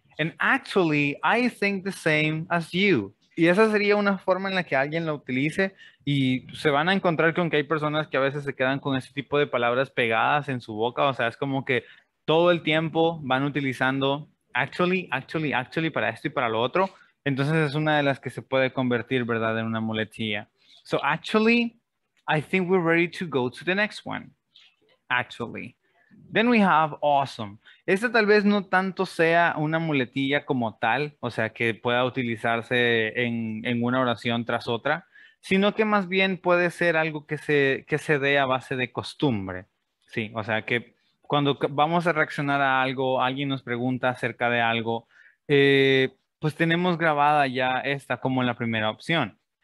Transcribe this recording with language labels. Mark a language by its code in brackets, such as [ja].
[en] and actually I think the same as you, [es] y esa sería una forma en la que alguien lo utilice, y se van a encontrar con que hay personas que a veces se quedan con ese tipo de palabras pegadas en su boca, o sea, es como que todo el tiempo van utilizando actually, actually, actually, para esto y para lo otro. Entonces es una de las que se puede convertir, ¿verdad?, en una muletilla. [en] So actually, I think we're ready to go to the next one. Actually. Then we have awesome. [es] Esta tal vez no tanto sea una muletilla como tal, o sea, que pueda utilizarse en una oración tras otra, sino que más bien puede ser algo que se dé a base de costumbre. Sí, o sea, que cuando vamos a reaccionar a algo, alguien nos pregunta acerca de algo, pues tenemos grabada ya esta como la primera opción.